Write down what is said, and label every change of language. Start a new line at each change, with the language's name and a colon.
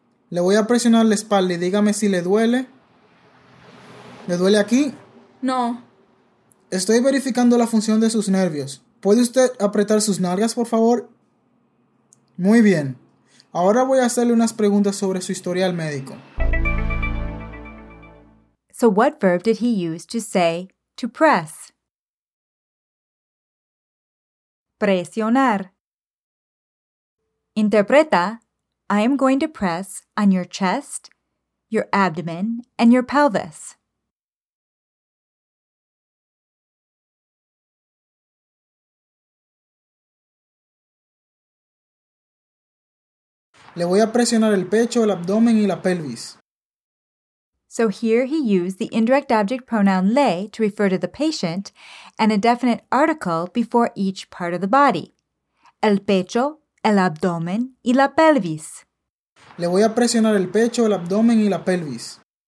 Spanish: Le voy a presionar la espalda y dígame si le duele. ¿Le duele aquí? No. Estoy verificando la función de sus nervios. ¿Puede usted apretar sus nalgas, por favor? Muy bien. Ahora voy a hacerle unas preguntas sobre su historial médico.
English: So what verb did he use to say to press? Presionar. Interpreta, I am going to press on your chest, your abdomen, and your pelvis.
Spanish: Le voy a presionar el pecho, el abdomen y la pelvis.
English: So here he used the indirect object pronoun le to refer to the patient and a definite article before each part of the body.
Spanish: El pecho, el abdomen y la pelvis. Le voy a presionar el pecho, el abdomen y la pelvis.